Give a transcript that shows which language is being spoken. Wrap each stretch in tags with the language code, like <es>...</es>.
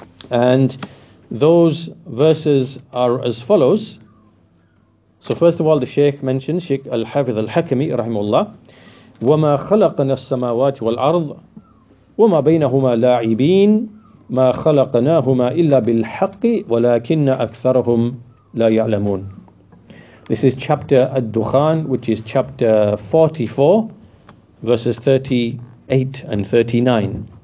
<en>And those verses are as follows. So first of all, the Shaykh mentions, Shaykh Al-Hafidh Al-Hakami, rahimahullah,</en> <ar>وَمَا خَلَقَنَا السَّمَاوَاتِ وَالْأَرْضَ وَمَا بَيْنَهُمَا لَاعِبِينَ مَا خَلَقَنَاهُمَا إِلَّا بِالْحَقِّ وَلَكِنَّ أَكْثَرَهُمْ لَا يَعْلَمُونَ.</ar> <en>This is chapter Ad-Dukhan, which is chapter 44, verses 38 and 39.</en>